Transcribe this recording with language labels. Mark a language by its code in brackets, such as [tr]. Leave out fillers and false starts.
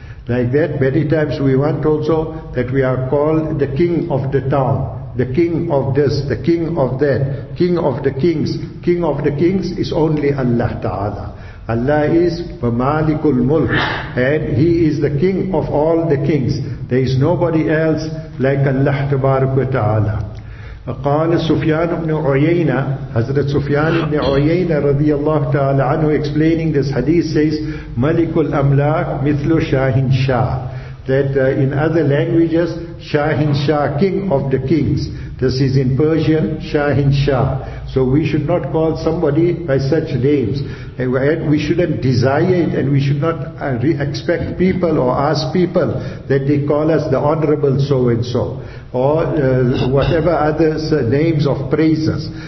[en] Like that, many times we want also that we are called the King of the town, the King of this, the King of that, King of the Kings. King of the Kings is only Allah Ta'ala. Allah is Malikul Mulk, and He is the King of all the Kings. There is nobody else like Allah Ta'ala. [ar] قال سفيان بن عيينة حضرت سفيان بن عيينة رضي الله تعالى عنه [en] explaining this hadith says [ar] ملك الأملاك مثل شاهن شاه. [en] That in other languages [ar] شاهن شاه, [en] king of the kings, This is in Persian, Shahin Shah. So we should not call somebody by such names. And we shouldn't desire it, and we should not expect people or ask people that they call us the Honorable so-and-so, or whatever other names of praises.